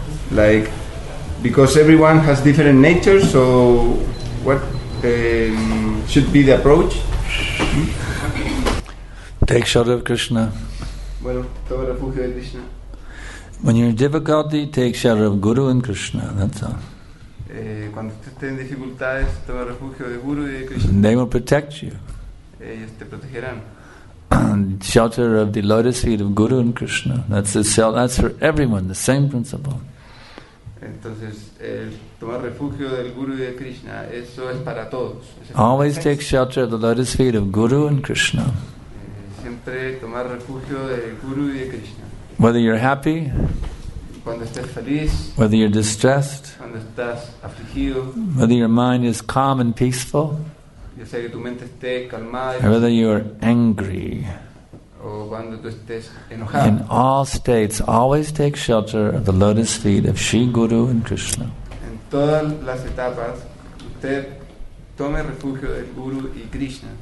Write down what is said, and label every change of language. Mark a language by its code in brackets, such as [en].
[en] Like, because everyone has different natures, so what should be the approach? Take shelter of Krishna. [es] Bueno, toma refugio de Krishna. [en] When you're in difficulty, take shelter of Guru and Krishna, that's all. [es] Cuando usted esté en dificultades, toma refugio de Guru y de Krishna. [en] They will protect you. [es] Ellos te protegerán. [en] Shelter of the lotus feet of Guru and Krishna. That's for everyone, the same principle. [es] Entonces, tomar refugio del Guru y de Krishna, eso es para todos. [en] Always take shelter of the lotus feet of Guru and Krishna. [es] Siempre tomar refugio del Guru y de Krishna. [en] Whether you're happy, [es] cuando estés feliz, [en] whether you're distressed, [es] cuando estás afligido, [en] whether your mind is calm and peaceful, [es] ya sea que tu mente esté calmada, [en] or whether you're angry, [es] o cuando tú estés enojado. [en] In all states, always take shelter of the lotus feet of Shri Guru and Krishna. [es] En todas las etapas, usted tome refugio del Guru y Krishna.